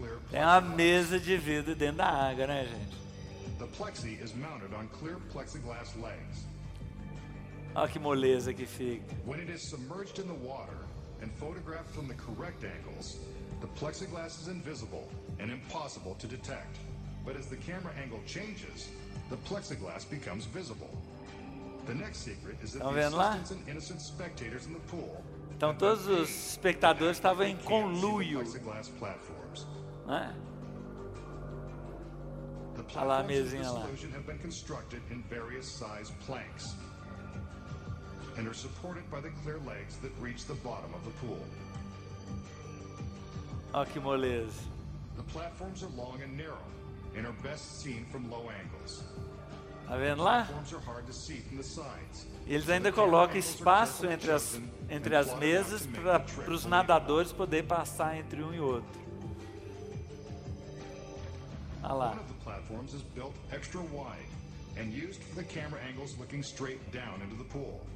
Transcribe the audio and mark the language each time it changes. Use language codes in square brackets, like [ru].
[pt] Tem uma mesa de vidro dentro da água, né, gente? O plexi é montado em [en] clear plexiglass legs. [pt] Olha que moleza que fica. [en] When it is submerged in the water and photographed from the correct angles, the plexiglass is invisible and impossible to detect. But as the camera angle changes, the plexiglass becomes visible. The next secret is that the assistants and innocent spectators in the pool. [pt] Então todos os espectadores estavam em conluio. [en] Plexiglass platforms. [pt] Né? [en] The platforms in the solution have been constructed in various size planks. And are supported by the clear legs that reach the bottom of the pool. [pt] Oh, que moleza. [en] The platforms are long and narrow and are best seen from low angles. [pt] Tá vendo lá? [en] Platforms are hard to see from the sides. [pt] Eles ainda colocam espaço entre as mesas para os nadadores poder passar entre um e outro. Olha lá. [en] One of the platforms is built extra wide and used for the camera angles looking straight down into the pool.